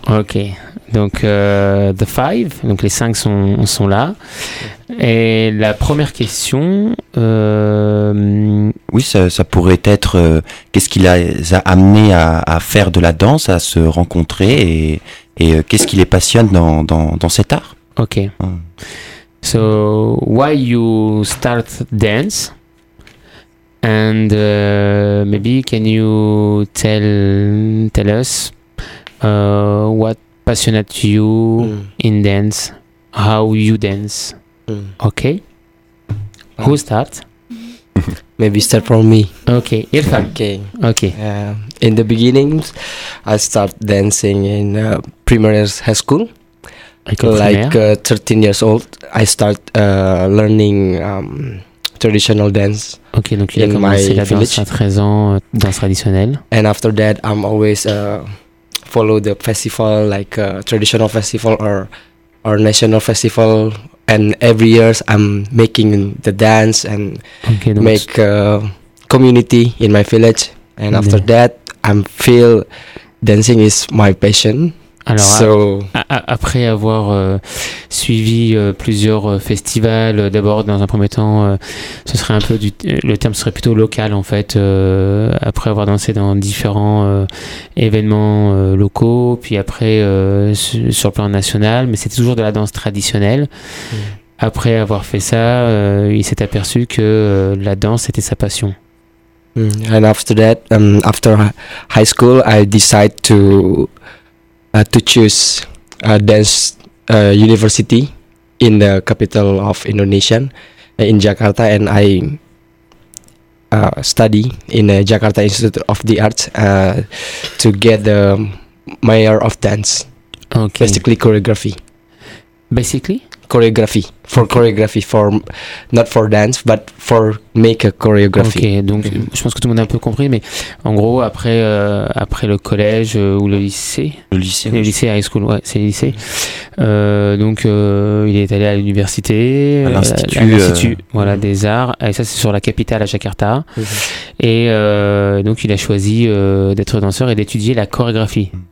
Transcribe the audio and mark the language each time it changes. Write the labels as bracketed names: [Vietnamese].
[French] Ok, donc [English] the five, [French] donc les 5 sont là. Et la première question. Oui, ça pourrait être qu'est-ce qui les a amenés à faire de la danse, à se rencontrer et qu'est-ce qui les passionne dans cet art? Ok. [English] So why you start dance, and maybe can you tell us what passionate you in dance, how you dance? Okay, who start? Maybe start from me. Okay, Irfan. Okay. In the beginning, I start dancing in primary high school. Like 13 years old, I start learning traditional dance. [French] Okay, donc il a commencé la danse à 13 ans, danse traditionnelle. [English] And after that, I'm always follow the festival, like traditional festival or national festival. And every year, I'm making the dance and make a community in my village. And after that, I feel dancing is my passion. [French] Alors, après avoir suivi plusieurs festivals, d'abord, dans un premier temps, ce serait un peu le terme serait plutôt local, en fait, après avoir dansé dans différents événements locaux, puis après, sur le plan national, mais c'était toujours de la danse traditionnelle. Mmh. Après avoir fait ça, il s'est aperçu que la danse était sa passion. Mmh. [English] And after that, after high school, I decide to choose a dance university. in the capital of Indonesia, in Jakarta, and I study in the Jakarta Institute of the Arts to get the Master of Dance. Okay. Basically choreography. Basically? Choreography. For okay. choreography, for not for dance, but for make a choreography. [French] Ok, donc je pense que tout le monde a un peu compris, mais en gros, après, après le collège ou le lycée. Le lycée. Le lycée, high school, ouais, c'est le lycée. Donc il est allé à l'université. À l'Institut voilà, des arts. Et ça, c'est sur la capitale, à Jakarta. Mmh. Et donc il a choisi d'être danseur et d'étudier la chorégraphie.